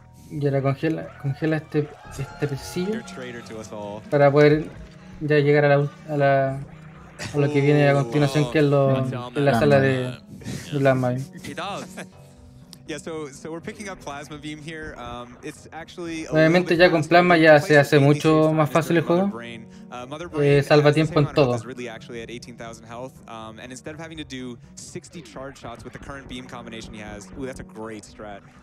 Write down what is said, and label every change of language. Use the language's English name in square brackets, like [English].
[Spanish] Y ahora congela este pesillo para poder ya llegar a lo que viene a continuación, que es la sala de Plasma Beam. [English] Yeah, so we're picking up Plasma Beam here. It's actually [Spanish] obviamente ya con Plasma ya se hace mucho más fácil el juego. Salva tiempo en todo. [English] And instead of having to do 60 charge shots with the current beam combination he has, that's a great strat.